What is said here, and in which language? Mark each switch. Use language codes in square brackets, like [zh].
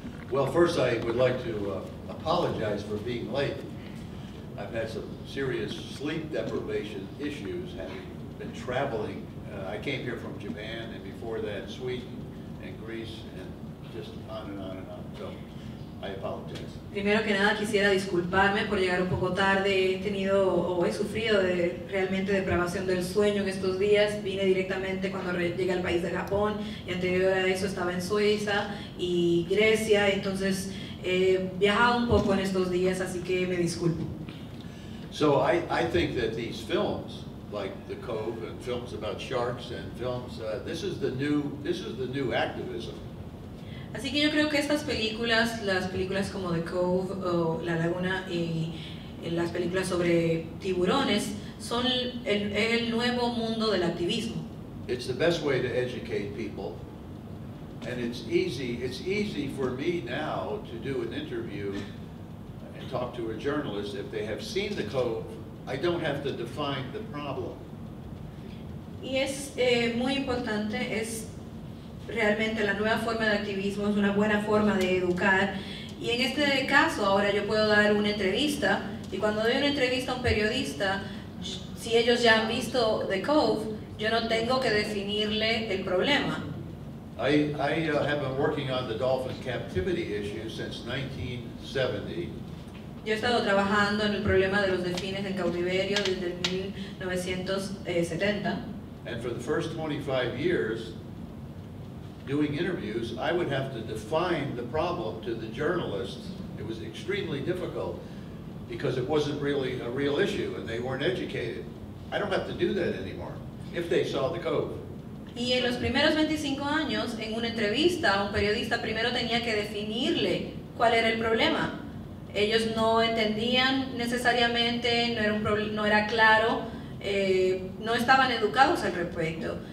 [en] Well, first I would like to apologize for being late. I've had some serious sleep deprivation issues, having been traveling. I came here from Japan, and before that, Sweden and Greece, and just on and on and on. So, I apologize. [es] Primero que nada, quisiera disculparme por llegar un poco tarde. He tenido, o he sufrido de realmente depravación del sueño en estos días. Vine directamente cuando llegué al país de Japón, y anterior a eso estaba en Suiza y Grecia. Entonces, he viajado un poco en estos días, así que me disculpo. [en] So, I think that these films, like The Cove, and films about sharks, and films, this is the new activism. [es] Así que yo creo que estas películas, las películas como The Cove o La Laguna y las películas sobre tiburones, son el nuevo mundo del activismo. [en] It's the best way to educate people, and it's easy for me now to do an interview and talk to a journalist if they have seen The Cove. I don't have to define the problem. [es] Y es muy importante, es realmente la nueva forma de activismo, es una buena forma de educar. Y en este caso, ahora yo puedo dar una entrevista, y cuando doy una entrevista a un periodista, si ellos ya han visto The Cove, yo no tengo que definirle el problema. [en] I have been working on the dolphin captivity issue since 1970. [es] Yo he estado trabajando en el problema de los delfines en cautiverio desde 1970. [en] And for the first 25 years, doing interviews, I would have to define the problem to the journalists. It was extremely difficult because it wasn't really a real issue and they weren't educated. I don't have to do that anymore if they saw The Cove. [es] Y en los primeros 25 años, en una entrevista, un periodista primero tenía que definirle cuál era el problema. Ellos no entendían necesariamente, no era claro, no estaban educados al respecto.